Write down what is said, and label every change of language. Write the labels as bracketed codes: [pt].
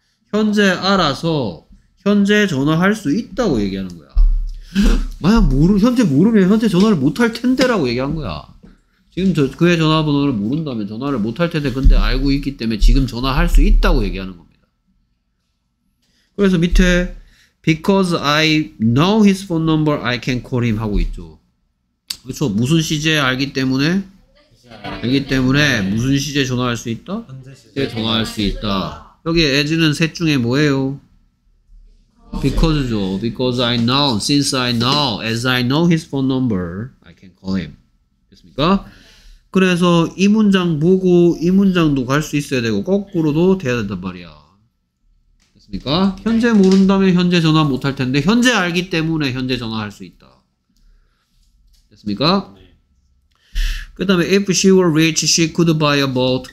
[ko] 현재 알아서 현재 전화할 수 있다고 얘기하는 거야. 만약 현재 모르면 현재 전화를 못할 텐데 라고 얘기한 거야. 지금 그의 전화번호를 모른다면 전화를 못할 텐데 근데 알고 있기 때문에 지금 전화할 수 있다고 얘기하는 겁니다. 그래서 밑에 [en] because I know his phone number I can call him [ko] 하고 있죠. 그렇죠. 무슨 시제에 알기 때문에 알기 때문에 무슨 시제 전화할 수 있다? 시제 전화할 수 있다. 여기 as는 셋 중에 뭐예요? because죠. [en] because I know, since I know, as I know his phone number, I can call him. [ko] 됐습니까? 그래서 이 문장 보고 이 문장도 갈 수 있어야 되고 거꾸로도 돼야 된단 말이야. 됐습니까? 현재 모른다면 현재 전화 못할 텐데 현재 알기 때문에 현재 전화할 수 있다. 됐습니까? 그 다음에 [en] if she were rich, she could buy a boat.